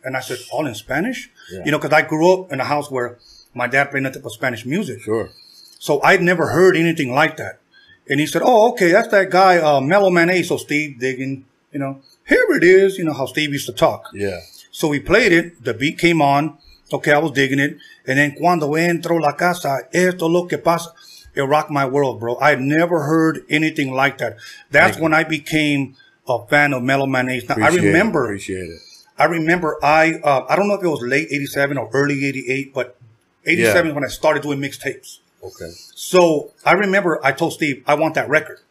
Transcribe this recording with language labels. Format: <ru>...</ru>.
<en>And I said, all in Spanish? Yeah. You know, because I grew up in a house where my dad played nothing but Spanish music. Sure. So I'd never heard anything like that. And he said, oh, okay, that's that guy, Mellow Man A. So Steve Diggin, you know, here it is, you know, how Steve used to talk. Yeah. So we played it. The beat came on. Okay, I was digging it. And then,</en> <es>cuando entro la casa, esto lo que pasa,</es> <en>it rocked my world, bro. I had never heard anything like that. That's when I became a fan of Mellow Man Ace. Now, I don't know if it was late 87 or early 88, but 87 is when I started doing mixtapes. Okay. So I remember I told Steve, I want that record.</en>